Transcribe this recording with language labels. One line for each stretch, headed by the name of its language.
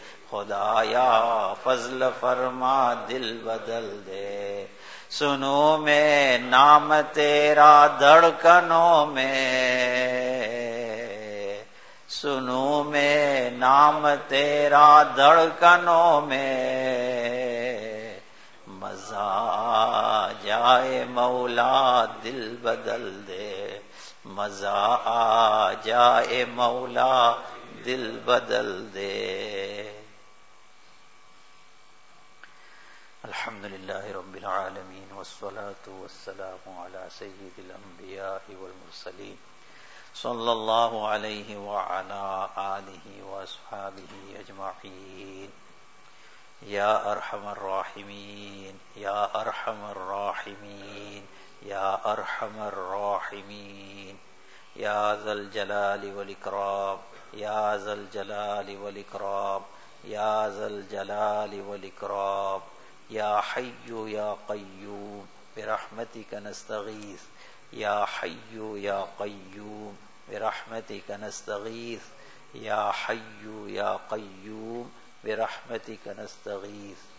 Urdu: خدایا فضل فرما دل بدل دے سنو میں نام تیرا دھڑکنوں میں سنو میں نام تیرا دھڑکنوں میں مزہ آ جائے مولا دل بدل دے مزہ آ جائے مولا دل بدل دے
Arabic: الحمد للہ رب العالمین والصلاة والسلام علی سید الانبیاء والمرسلین صلی اللہ علیہ وعلی آلہ واصحابہ اجمعین یا ارحم الراحمین یا ارحم الراحمین یا ارحم الراحمین یا ذا الجلال والاکرام یا ذا الجلال والاکرام يا ذا الجلال والإكرام يا حي يا قيوم برحمتك نستغيث يا حي يا قيوم برحمتك نستغيث يا حي يا قيوم برحمتك نستغيث